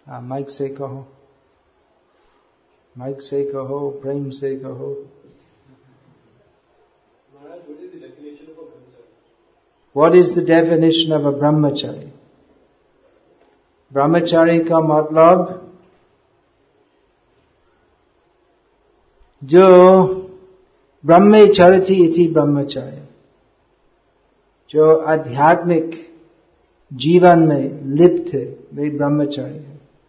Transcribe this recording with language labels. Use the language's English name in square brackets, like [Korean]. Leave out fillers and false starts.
[Hindi] Mic से कहो, mic से कहो, प्रेम से कहो। [English] What is the definition of a brahmachari? [Hindi] ब्रह्मचारी का मतलब जो ब्रह्मचर्य इति ब्रह्मचर्य, जो आध्यात्मिक जीवन में लिप्त है वे ब्रह्मचारी है।